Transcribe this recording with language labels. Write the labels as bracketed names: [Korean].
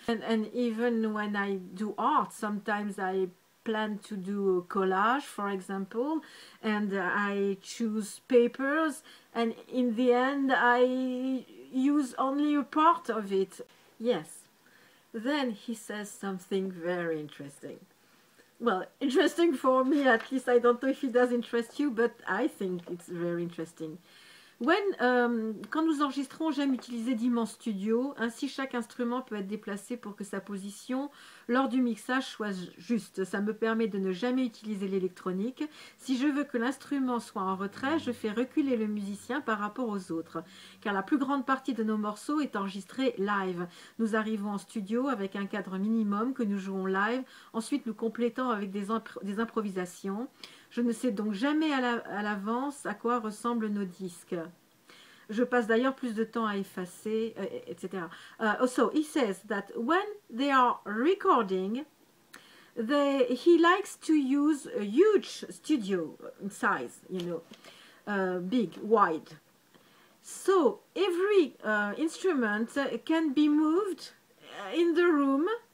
[English] And even when I do art, sometimes I plan to do a collage, for example, and I choose papers, and in the end, I use only a part of it. Yes. Then he says something very interesting. Well, interesting for me, at least. I don't know if it does interest you, but I think it's very interesting. [French] When quand nous enregistrons, j'aime utiliser d'immenses studios. Ainsi, chaque instrument peut être déplacé pour que sa position lors du mixage soit juste. Ça me permet de ne jamais utiliser l'électronique. Si je veux que l'instrument soit en retrait, je fais reculer le musicien par rapport aux autres. Car la plus grande partie de nos morceaux est enregistrée live. Nous arrivons en studio avec un cadre minimum que nous jouons live. Ensuite, nous complétons avec des improvisations. Je ne sais donc jamais à l'avance à quoi ressemblent nos disques. Je passe d'ailleurs plus de temps à effacer, etc. [English] Also, he says that when they are recording, he likes to use a huge studio size, you know, big, wide. So every instrument can be moved in the room.